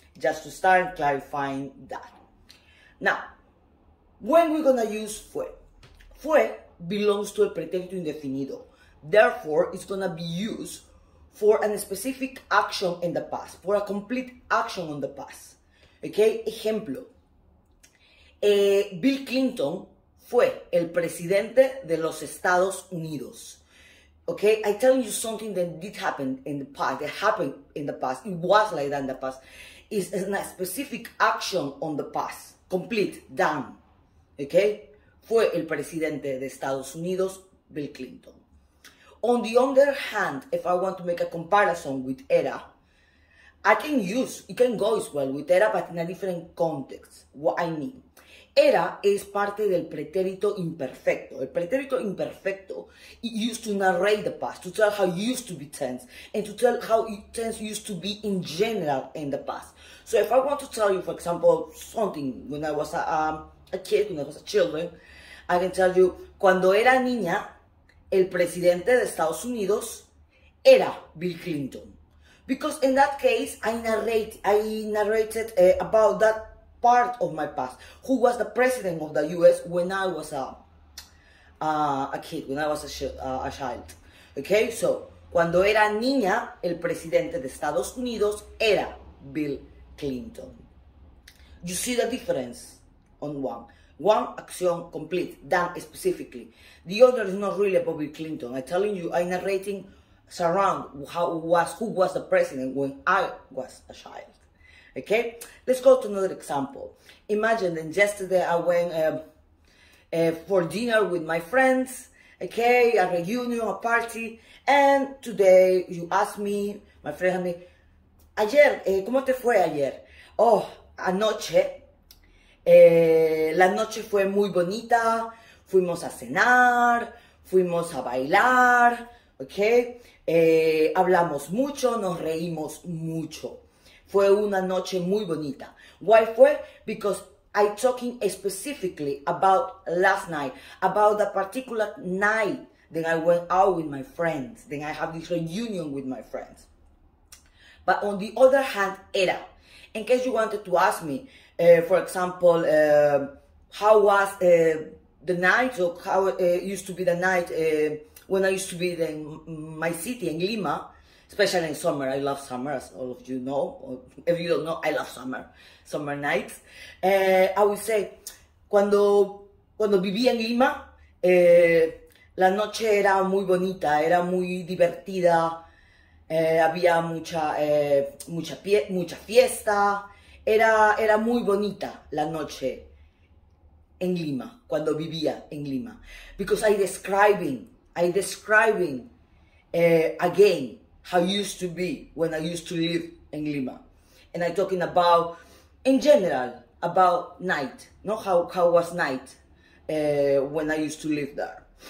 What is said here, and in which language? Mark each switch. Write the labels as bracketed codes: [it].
[en] Just to start clarifying that. Now, when we're gonna use fue? Fue belongs to a pretérito indefinido. Therefore, it's gonna be used for a specific action in the past, for a complete action on the past. [es] Okay, ejemplo. Bill Clinton fue el presidente de los Estados Unidos. [en] Okay, I tell you something that did happen in the past, that happened in the past, it was like that in the past. It's a specific action on the past, complete, done. [es] Okay, fue el presidente de Estados Unidos, Bill Clinton. [en] On the other hand, if I want to make a comparison with era, I can use, it can go as well with era, but in a different context. What I mean, [es] era es parte del pretérito imperfecto. El pretérito imperfecto, [en] it used to narrate the past, to tell how it used to be tense, and to tell how it tense used to be in general in the past. So if I want to tell you, for example, something when I was a kid, when I was a children, I can tell you, [es] cuando era niña, el presidente de Estados Unidos era Bill Clinton. [en] Because in that case, I narrated about that part of my past. Who was the president of the US when I was a kid, when I was a child. [es] Okay, so, cuando era niña, el presidente de Estados Unidos era Bill Clinton. [en] You see the difference on one. One action complete, done specifically. The other is not really about Bill Clinton. I'm telling you, I'm narrating surround who was the president when I was a child. Okay? Let's go to another example. Imagine that yesterday I went for dinner with my friends, okay, a reunion, a party, and today you ask me, my friend asked me, [es] ayer, ¿cómo te fue ayer? Oh, anoche. La noche fue muy bonita, fuimos a cenar, fuimos a bailar, ok, hablamos mucho, nos reímos mucho, fue una noche muy bonita. [en] Why fue? Because I'm talking specifically about last night, about the particular night that I went out with my friends, that I have this reunion with my friends. But on the other hand, era, in case you wanted to ask me, for example, how was the night, or how it used to be the night when I used to be in my city, in Lima, especially in summer. I love summer, as all of you know. If you don't know, I love summer, summer nights. I would say, [es] cuando viví en Lima, la noche era muy bonita, era muy divertida, había mucha fiesta. Era muy bonita la noche en Lima, cuando vivía en Lima. [en] Because I'm describing again how used to be when I used to live in Lima. And I'm talking about in general about night, not how was night when I used to live there.